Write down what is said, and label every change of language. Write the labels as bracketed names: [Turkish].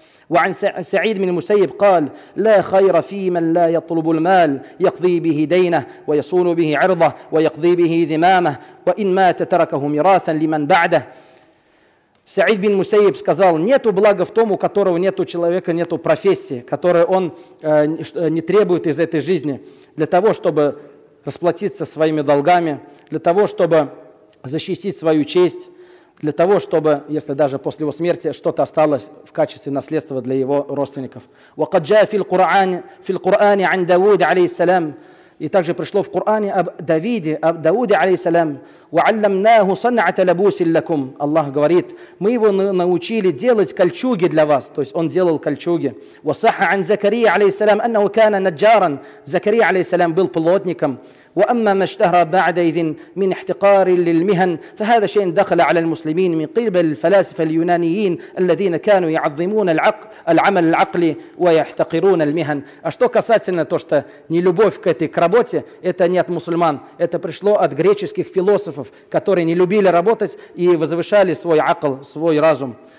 [Arabic] وعن سعيد بن مسيب قال لا خير في من لا يطلب المال يقضي به دينه ويصون به عرضه ويقضي به ذمامه وإن مات تركه ميراثا لمن بعده. [Russian] Саид бин Мусейб сказал, нету блага в том, у которого нету человека, нету профессии, которую он не требует из этой жизни для того, чтобы расплатиться своими долгами, для того, чтобы защитить свою честь, для того, чтобы, если даже после его смерти, что-то осталось в качестве наследства для его родственников. [Arabic] وقد جاء في القرآن عن داود عليه السلام. [Russian] И также пришло в Коране об Давиде, об Дауде, алейхиссалям. [Arabic] وَعَلَّمْنَاهُ صَنْعَةَ لَبُوسٍ لَكُمْ. [Russian] Аллах говорит, мы его научили делать кольчуги для вас. То есть он делал кольчуги. [Arabic] وَصَحَ عَنْ زَكَرِيَ алейхиссалям أَنَّهُ كَانَ نَجَّارًا. [Russian] Закария, алейхиссалям, был плотником. [Arabic] وَأَمَّا مَا اشْتَهْرَ بَعْدَ إِذٍ مِنْ احْتِقَارٍ لِلْمِهَنْ فَهَذَا شَيْءٍ دَخَلَ عَلَى الْمُسْلِمِينَ مِنْ قِبَلِ الْفَلَاسِفَةِ الْيُونَانِيِّينَ الَّذِينَ كَانُوا يَعْظِمُونَ الْعَمَلَ الْعَقْلِ وَيَحْتَقِرُونَ الْمِهَنْ. [Russian] А что касательно то, что нелюбовь к этой к работе, это не от мусульман, это пришло от греческих философов, которые не любили работать и возвышали свой акл, свой разум.